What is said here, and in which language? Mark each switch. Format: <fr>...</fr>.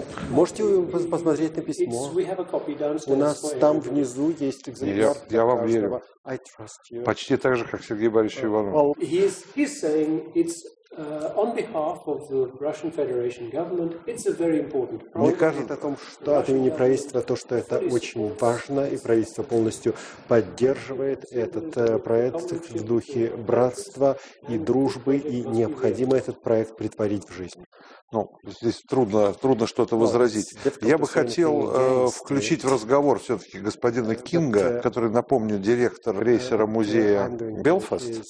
<ru>Можете посмотреть на письмо. У нас там внизу есть экземпляр. Я вам верю.</ru> <en>I trust you.</en> <ru>Почти так же, как Сергей Борисович Иванов.</ru> <en>Well, he's saying it's on behalf of the Russian Federation government. It's a very important problem.</en> <ru>Мне кажется, о том, что от имени правительства, то, что это очень важно, и правительство полностью поддерживает этот проект в духе братства и дружбы, и необходимо этот проект претворить в жизнь. Ну, здесь трудно что-то возразить. Я бы хотел включить в разговор все-таки господина Кинга, который, напомню, директор крейсера музея «Белфаст».</ru>